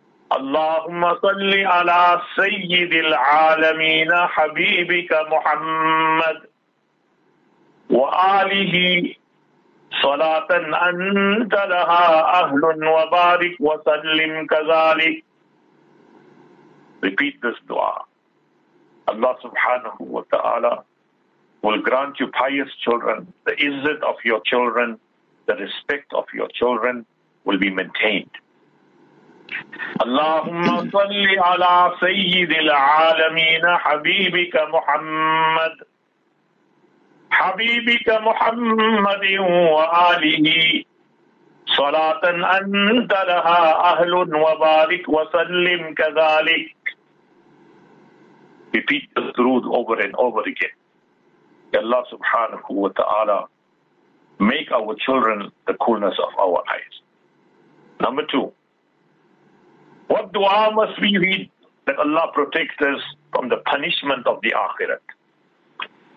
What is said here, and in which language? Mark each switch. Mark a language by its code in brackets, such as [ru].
[ar] اللهم صل على سيد العالمين حبيبك محمد وآله صلاة أنت لها أهل وبارك وسلم كذلك. [en] Repeat this dua. Allah subhanahu wa ta'ala will grant you pious children, the izzet of your children, the respect of your children will be maintained. [ar] اللهم صل على سيد العالمين حبيبك محمد حبيبك محمد وآله صلاة أنت لها أهل وبارك وسلم كذلك. [en] Repeat the durood over and over again. Allah subhanahu wa ta'ala, make our children the coolness of our eyes. Number two, what dua must we read that Allah protects us from the punishment of the akhirat?